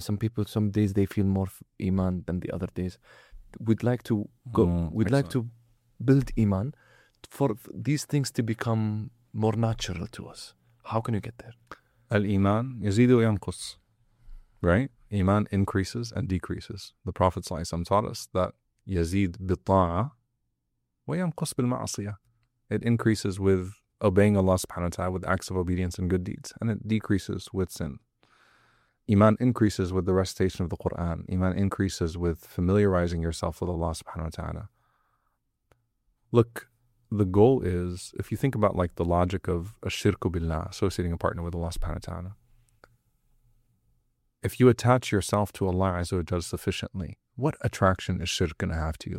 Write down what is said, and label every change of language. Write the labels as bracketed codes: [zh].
[en] Some people, some days they feel more iman than the other days. We'd like to go. Build iman for these things to become more natural to us. How can you get there? [ar] Al iman yazidu yanqus, [en] right? Iman increases and decreases. The Prophet sallallahu alaihi wasallam taught us that. [ar] يزيد بالطاعة وينقص بالمعصية. [en] It increases with obeying Allah subhanahu wa ta'ala with acts of obedience and good deeds, and it decreases with sin. Iman increases with the recitation of the Quran. Iman increases with familiarizing yourself with Allah subhanahu wa ta'ala. look, the goal is, if you think about like the logic of a shirku billah, associating a partner with Allah subhanahu wa ta'ala, if you attach yourself to Allah Azza wa Jalla sufficiently, what attraction is shirk going to have to you?